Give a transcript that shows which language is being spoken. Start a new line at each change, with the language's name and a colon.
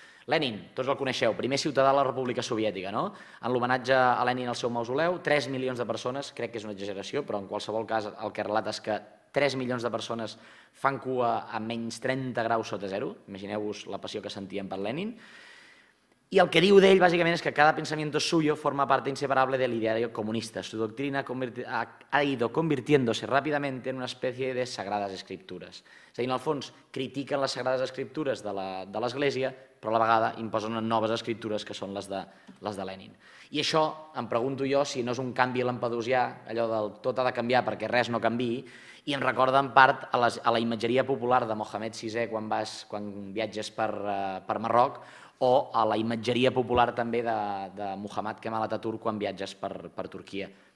Catalan: Lenin, tots el coneixeu, primer ciutadà de la República Soviètica, no? En l'homenatge a Lenin al seu mausoleu, 3 milions de persones, crec que és una exageració, però en qualsevol cas el que relata és que 3 milions de persones fan cua a menys 30 graus sota zero, imagineu-vos la passió que sentien per Lenin, i el que diu d'ell, bàsicament, és que
Spanish: cada pensamiento suyo forma parte inseparable del ideario comunista. Su doctrina ha ido convirtiéndose rápidamente en una especie de sagradas escrituras.
Catalan: És a dir, en el fons, critiquen les sagrades escriptures de l'Església, però a la vegada imposen noves escriptures que són les de Lenin. I això, em pregunto jo, si no és un canvi lampedusià, allò del tot ha de canviar perquè res no canviï, i em recorda en part a la imatgeria popular de Mohamed VI quan viatges per Marroc, o a la imatgeria popular també de Muhammad Kemal Atatürk quan viatges per Turquia.